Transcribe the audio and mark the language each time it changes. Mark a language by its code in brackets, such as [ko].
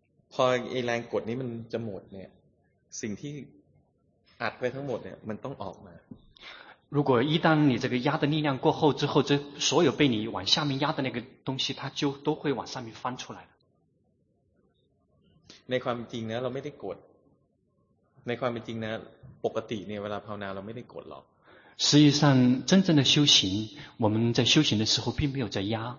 [th] พอไอ้แรงกดนี้มันจะหมดเนี่ยสิ่งที่อัดไว้ทั้งหมดเนี่ยมันต้องออกมา [zh] 如果一旦你这个压的力量过后之后这所有被你往下面压的那个东西它就都会往上面翻出来 [th] ในความจริงนะเราไม่ได้กดในความจริงนะปกติเนี่ยเวลาภาวนาเราไม่ได้กดหรอก สิ่งสังจริงๆในการปฏิบัติ [zh] 我们在修行的时候并没有在压